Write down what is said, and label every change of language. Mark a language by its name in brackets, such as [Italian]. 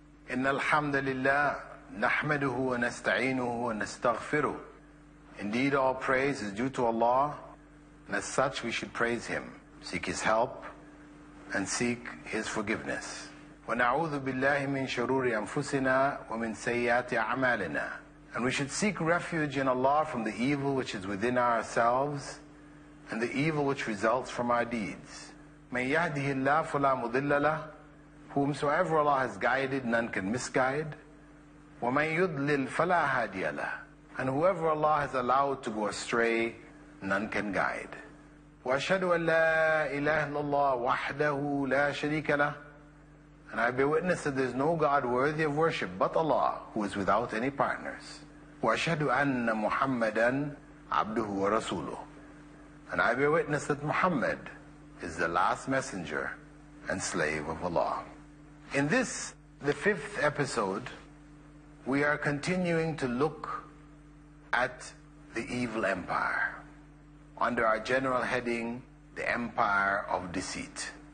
[Arabic] إن الحمد لله نحمده ونستعينه ونستغفره. [English] Indeed, all praise is due to Allah, and as such, we should praise Him, seek His help, and seek His forgiveness. [Arabic] ونعوذ بالله من شرور أنفسنا ومن سيئات أعمالنا. [English] And we should seek refuge in Allah from the evil which is within ourselves and the evil which results from our deeds. [Arabic] من يهده الله فلا مضل له. [English] Whomsoever Allah has guided, none can misguide. [Arabic] ومن يضلل فلا هادي له. [English] And whoever Allah has allowed to go astray, none can guide. [Arabic] وأشهد أن لا إله إلا الله وحده لا شريك له. [English] And I bear witness that there is no God worthy of worship but Allah, who is without any partners. [Arabic] وأشهد أن محمدًا عبده ورسوله. [English] And I bear witness that Muhammad is the last messenger and slave of Allah. In this, the fifth episode, we are continuing to look at the evil empire under our general heading, the Empire of Deceit.